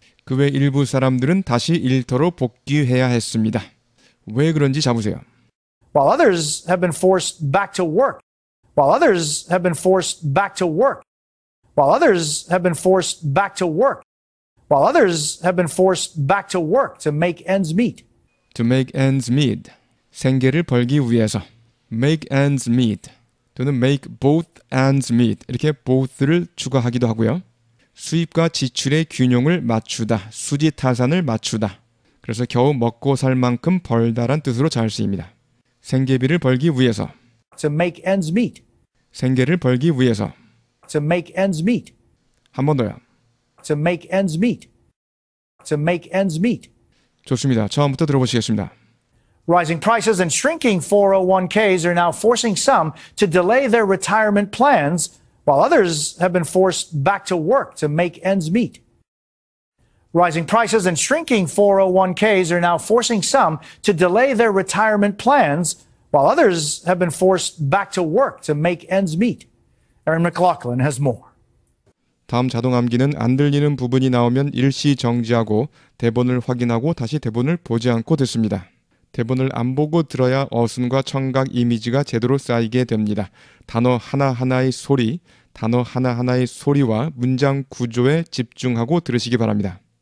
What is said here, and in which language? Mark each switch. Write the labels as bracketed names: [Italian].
[Korean] 그 외 일부 사람들은 다시 일터로 복귀해야 했습니다. 왜 그런지 잡으세요. [English] While others have been forced back to work. While others have been forced back to work. While others have been forced back to work. While others have been forced back to work to make ends meet. To make ends meet. [Korean] 생계를 벌기 위해서. [English] Make ends meet. [Korean] 또는 [English] make both ends meet. [Korean] 이렇게 both를 추가하기도 하고요. 수입과 지출의 균형을 맞추다, 수지타산을 맞추다. 그래서 겨우 먹고 살 만큼 벌다란 뜻으로 잘 쓰입니다. 생계비를 벌기 위해서 [English] To make ends meet [Korean] 생계를 벌기 위해서 [English] To make ends meet [Korean] 한 번 더요 [English] To make ends meet To make ends meet [Korean] 좋습니다. 처음부터 들어보시겠습니다. [English] Rising prices and shrinking 401ks are now forcing some to delay their retirement plans, while others have been forced back to work to make ends meet. Rising prices and shrinking 401ks are now forcing some to delay their retirement plans, while others have been forced back to work to make ends meet. Aaron McLaughlin has more. [Korean] 다음 자동 암기는 안 들리는 부분이 나오면 일시 정지하고 대본을 확인하고 다시 대본을 보지 않고 듣습니다. 대본을 안 보고 들어야 어순과 청각 이미지가 제대로 쌓이게 됩니다. 단어 하나하나의 소리, 단어 하나하나의 소리와 문장 구조에 집중하고 들으시기 바랍니다.